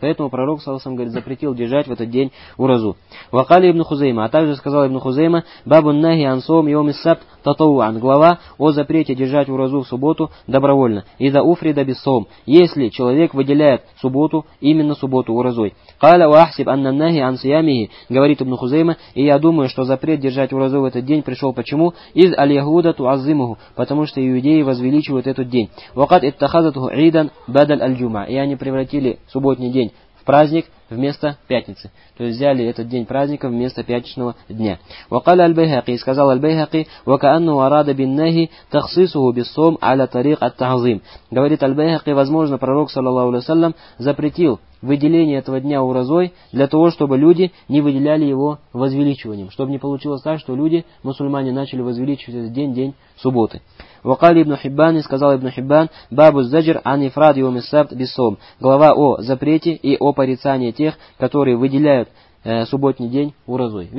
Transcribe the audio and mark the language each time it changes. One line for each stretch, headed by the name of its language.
Russian: Поэтому пророк, саллаллаху алейхи ва саллям, говорит, запретил держать в этот день уразу. Вакали ибн Хузейма, а также сказал ибн Хузейма,
Arabic: бабун нахи ансом йом иссабт татауан,
Russian: глава о запрете держать уразу в субботу добровольно.
Arabic: Иза уфрида биссом,
Russian: если человек выделяет субботу, именно субботу уразой.
Arabic: Каля ва ахсиб анна нахи ансиямихи,
Russian: говорит ибн Хузейма, и я думаю, что запрет держать уразу в этот день пришел почему?
Arabic: Из аль-Ягуда туазимуху,
Russian: потому что иудеи возвеличивают этот день.
Arabic: وقد اتخذته عيدا بدل الجمعة.
Russian: И они превратили субботний день в праздник вместо пятницы. То есть взяли этот день праздника вместо пятничного дня.
Arabic: وقال البيهقي,
Russian: сказал
Arabic: البيهقي, وكأنه أراد بالنهى تخصيصه بالصوم على طريق التعظيم.
Russian: Говорит البيهقي, возможно, пророк саллаллаху алейхи ва саллям запретил выделение этого дня уразой для того, чтобы люди не выделяли его возвеличиванием, чтобы не получилось так, что люди, мусульмане, начали возвеличивать этот день, день субботы. Вакали ибн Хиббан, и сказал ибн Хиббан,
Arabic: бабу зджер анифрад йом ас-сабт бисом,
Russian: глава о запрете и о порицании тех, которые выделяют субботний день уразой.